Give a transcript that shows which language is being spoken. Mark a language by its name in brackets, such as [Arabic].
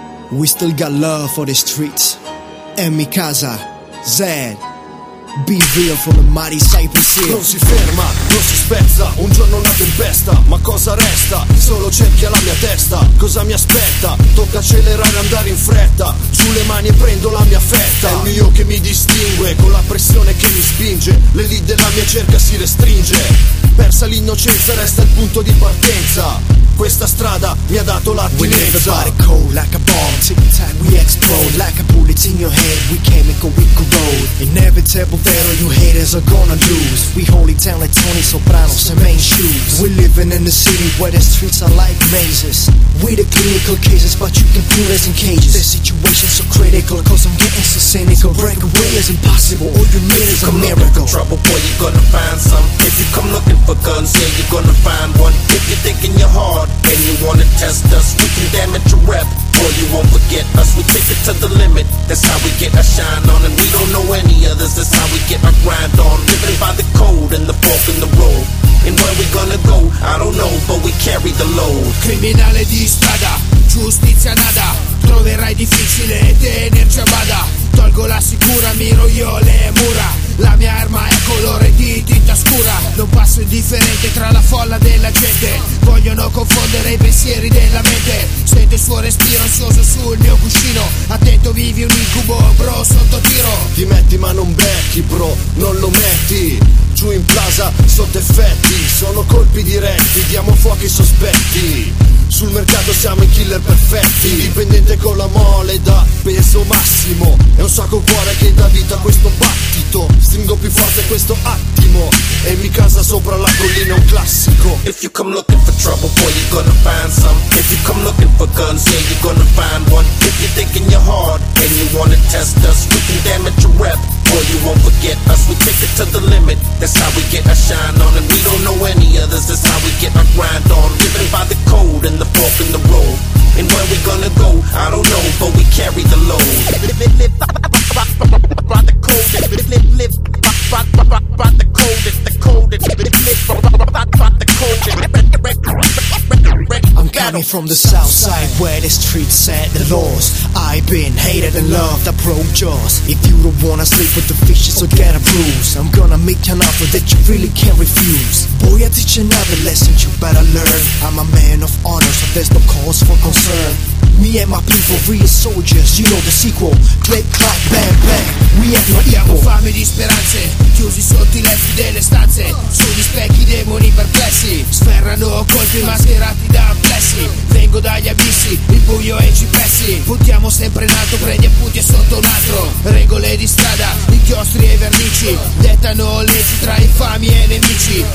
[English] We still got love for the streets. Emikaza, Zed. Be real from the mighty Cypress Hill. [Italian] Non si ferma, non si spezza. Un giorno nato in pesta, ma cosa resta? Solo cerchia la mia testa, cosa mi aspetta? Tocca accelerare e andare in fretta. Sulle mani e prendo la mia fetta. È il mio che mi distingue, con la pressione che mi spinge. L'elite della mia cerca si restringe. Persa l'innocenza, resta il punto di partenza. Questa strada mi ha dato l'attinenza. [English] We leave the body cold like a bomb. Take time, we explode. Like a bullet in your head, we chemical, we corrode. Inevitable, vero, you haters are gonna lose. We hold it down like Tony Soprano, some main shoes. We living in a city where the streets are like mazes. We the clinical cases, but you can put us in cages. The situation's so critical, cause I'm getting so cynical. Break away is impossible, all you need is a miracle. Trouble, boy, you're gonna find some. If you come looking for guns, yeah, you're gonna find one. If you're thinking you're hard, and you wanna test us, we can damage your rep. Boy, you won't forget us, we take it to the limit. That's how we get our shine on, and we don't know any others. That's how we get our grind on. Living by the code and the fork in the road. And where we gonna go, I don't know, but we carry the load. [Italian] Criminale di strada, giustizia nada. Troverai difficile tenerci a bada. Tolgo la sicura, miro io le mura. La mia arma è colore di tinta scura. Non passo indifferente tra la folla della gente. Vogliono confondere i pensieri della mente. Sento il suo respiro ansioso sul mio cuscino. Attento, vivi un incubo, bro, sotto tiro. Ti metti ma non becchi, bro, non lo metti. Giù in plaza, sotto effetti. Sono colpi diretti, diamo fuoco ai sospetti. Sul mercato siamo i killer perfetti. Indipendente con la mole da peso massimo. È un sacco cuore che dà vita a questo battito. Stringo più forte questo attimo. E mi casa sopra la collina, un classico. [English] If you come looking for trouble, boy, you're gonna find some. If you come looking for guns, yeah, you're gonna find one. If you're thinking you're hard and you wanna test us, we can damage your rep. Boy, you won't forget us, we take it to the limit. That's how we get our shine on, and we don't know any others. That's how we get our grind on. Living by the code and the fork in the road. And where we gonna go, I don't know, but we carry the load. Coming from the south side where the streets set the laws. I've been hated and loved, I broke jaws. If you don't wanna sleep with the fishes or get a bruise, I'm gonna make an offer that you really can't refuse. Boy, I teach another lesson you better learn. I'm a man of honor, so there's no cause for concern. Me and my people, real soldiers, you know the sequel. Click, clack, bang, bang, we have your equal. [Italian] Abbiamo fame di speranze, chiusi sotto i letti delle stanze. Sugli specchi, demoni perplessi. Sferrano colpi mascherati da amplessi. Vengo dagli abissi, il buio e i cipressi. Puntiamo sempre in alto, prendi appunti e sotto un altro. Regole di strada, inchiostri e vernici. Dettano leggi tra infami e nemici.